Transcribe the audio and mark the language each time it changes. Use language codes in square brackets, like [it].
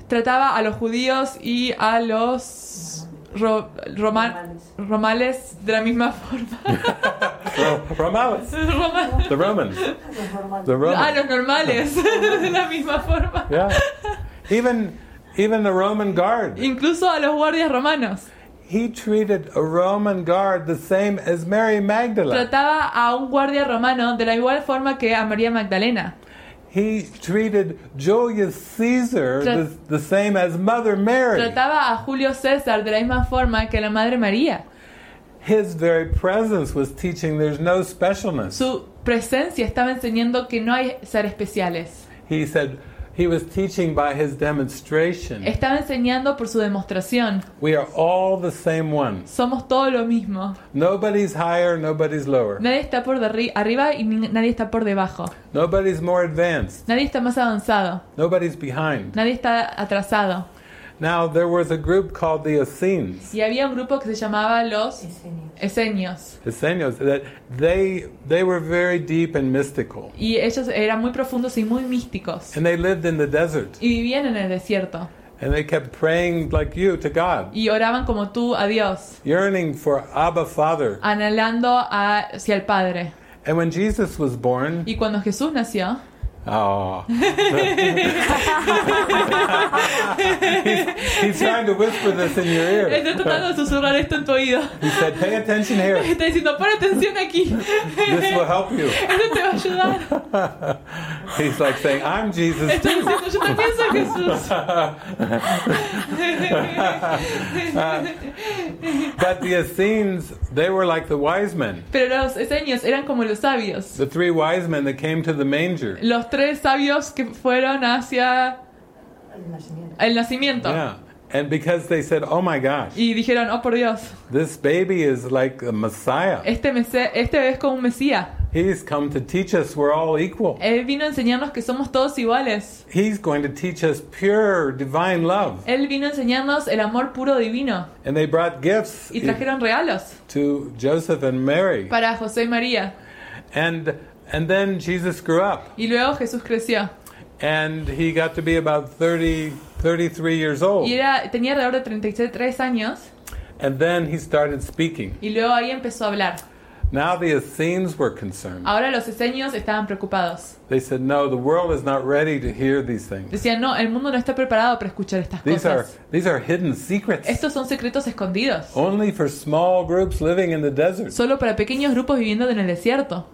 [es] Trataba a los judíos y a los romales de la misma forma. [en] Romales. The Romans. The Romans. [es] Ah, los normales. De la misma forma. [en] Yeah. Even the Roman guard. [es] Incluso a los guardias romanos. [en] He treated a Roman guard the same as Mary Magdalene. [es] Trataba a un guardia romano de la igual forma que a María Magdalena. [en] he treated Julius Caesar the same as Mother Mary. [es] Trataba a Julio César de la misma forma que la Madre María. [en] His very presence was teaching there's no specialness. [es] Su presencia estaba enseñando que no hay ser especiales. [en] He said he was teaching by his demonstration. [es] Estaba enseñando por su demostración. [en] We are all the same one. [es] Somos todos lo mismo. [en] Nobody's higher, nobody's lower. [es] Nadie está por arriba y nadie está por debajo. [en] Nobody's more advanced. [es] Nadie está más avanzado. [en] Nobody's behind. [es] Nadie está atrasado. [en] Now there was a group called the Essenes. [es] Y había un grupo que se llamaba los Esenios. [en] Esenios, that they were very deep and mystical. [es] Y ellos eran muy profundos y muy místicos. [en] And they lived in the desert. [es] Y vivían en el desierto. [en] And they kept praying like you to God. [es] Y oraban como tú a Dios. [en] Yearning for Abba Father. [es] Anhelando hacia el Padre. [en] And when Jesus was born. [es] Y cuando Jesús nació. Oh. [en] he's trying to whisper this in your ear. [es] Está tratando de susurrar esto en tu oído. [en] He said, "Pay attention here." [es] Está diciendo, pon atención aquí. [en] This will help you. [es] Esto te va a ayudar. [en] He's like saying, "I'm Jesus." [es] Está diciendo, yo también soy Jesús. [en] But the Essenes, they were like the wise men. [es] Pero los Esenios eran como los sabios. [en] The three wise men that came to the manger. [es] Los tres sabios que fueron hacia el nacimiento. [en] Yeah. And because they said, "Oh my gosh." [es] Y dijeron, "Oh por Dios." [en] This baby is like a Messiah. [es] Este es como un Mesías. [en] He's come to teach us we're all equal. [es] Él vino a enseñarnos que somos todos iguales. [en] He's going to teach us pure divine love. [es] Él vino a enseñarnos el amor puro divino. [en] And they brought gifts. [es] Y trajeron regalos. [en] To Joseph and Mary. [es] Para José y María. [en] And then Jesus grew up. [es] Y luego Jesús creció. [en] And he got to be about 33 years old. [es] Y tenía alrededor de 33 años. [en] And then he started speaking. [es] Y luego ahí empezó a hablar. [en] Now the Essenes were concerned. [es] Ahora los Esenios estaban preocupados. [en] They said, "No, the world is not ready to hear these things." [es] Decían, "No, el mundo no está preparado para escuchar estas [en] these [es] cosas." [en] These are hidden secrets. [es] Estos son secretos escondidos. [en] Only for small groups living in the desert. [es] Solo para pequeños grupos viviendo en el desierto.